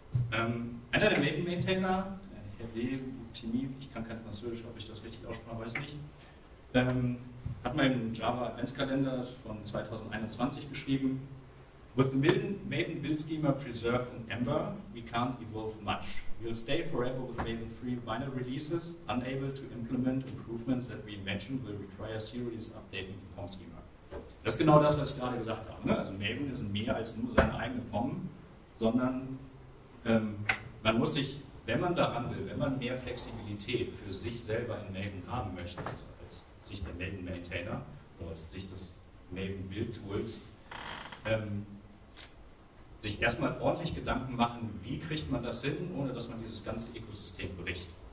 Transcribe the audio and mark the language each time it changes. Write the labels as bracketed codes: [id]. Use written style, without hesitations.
[de] Einer der Maven-Maintainer, Hervé Boutini, ich kann kein Französisch, ob ich das richtig ausspreche, weiß nicht, hat mal im Java Adventskalender von 2021 geschrieben: [en] With the Maven Build Schema preserved in Ember, we can't evolve much. We'll stay forever with Maven 3 minor releases, unable to implement improvements that we imagine will require serious updating the POM schema. [de] Das ist genau das, was ich gerade gesagt habe. Also Maven ist mehr als nur seine eigene POM, sondern man muss sich, wenn man daran will, wenn man mehr Flexibilität für sich selber in Maven haben möchte, also als Sicht der Maven Maintainer oder als Sicht des Maven Build Tools, sich erstmal ordentlich Gedanken machen, wie kriegt man das hin, ohne dass man dieses ganze Ökosystem bricht.